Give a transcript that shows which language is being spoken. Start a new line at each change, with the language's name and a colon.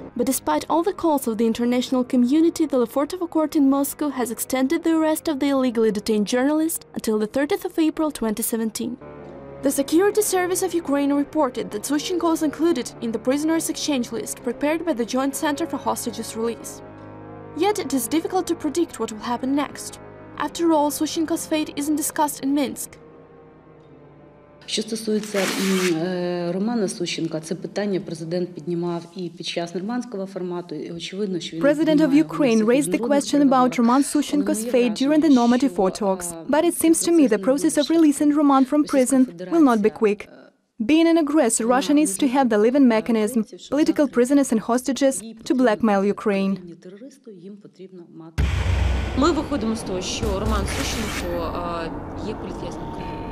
English: But despite all the calls of the international community, the Lefortovo court in Moscow has extended the arrest of the illegally detained journalist until the 30th of April 2017. The Security Service of Ukraine reported that Sushchenko was included in the prisoners' exchange list prepared by the Joint Center for Hostages Release. Yet it is difficult to predict what will happen next. After all, Sushchenko's fate isn't discussed in Minsk.
Ukrainian: Що стосується Романа Сущенка, це питання президент піднімав і під час нормандського формату, і очевидно, що він
English: President of Ukraine raised the question about Roman Sushchenko's fate during the Normandy 4 talks, but it seems to me the process of releasing Roman from prison will not be quick. Being an aggressor, Russia needs to have the living mechanism, political prisoners and hostages, to blackmail Ukraine.
Ukrainian: Ми виходимо з того, що Роман Сущенко є політв'язником.